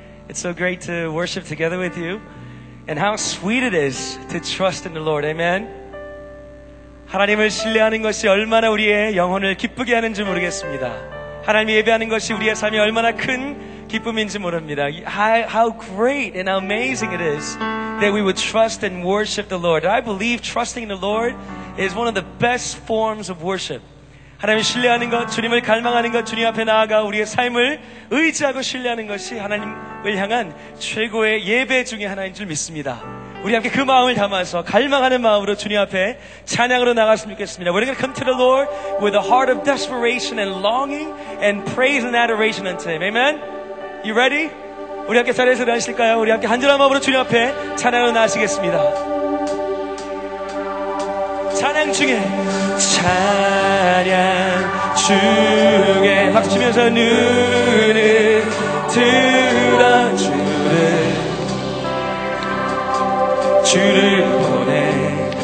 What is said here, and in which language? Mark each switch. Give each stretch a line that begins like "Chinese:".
English: It's so great to worship together with you. And how sweet it is to trust in the Lord. Amen.
Korean: 하나님을 신뢰하는 것이 얼마나 우리의 영혼을 기쁘게 하는지 모르겠습니다. 하나님이 예배하는 것이 우리의 삶이 얼마나 큰 기쁨인지 모릅니다.
English: How great and how amazing it is that we would trust and worship the Lord. I believe trusting the Lord is one of the best forms of worship.
Korean: 하나님을 신뢰하는 것, 주님을 갈망하는 것, 주님 앞에 나아가 우리의 삶을 의지하고 신뢰하는 것이 하나님을 향한 최고의 예배 중에 하나인 줄 믿습니다. 우리 함께 그 마음을 담아서 갈망하는 마음으로 주님 앞에 찬양으로 나갔으면 좋겠습니다.
English: We're going to come to the Lord with a heart of desperation and longing and praise and adoration unto Him. Amen? You ready?
Korean: 우리 함께 자리에서 일어나실까요? 우리 함께 간절한 마음으로 주님 앞에 찬양으로 나아가시겠습니다. 찬양 중에 찬양 중에 박수 치면서 눈을 들어주네 주를 보내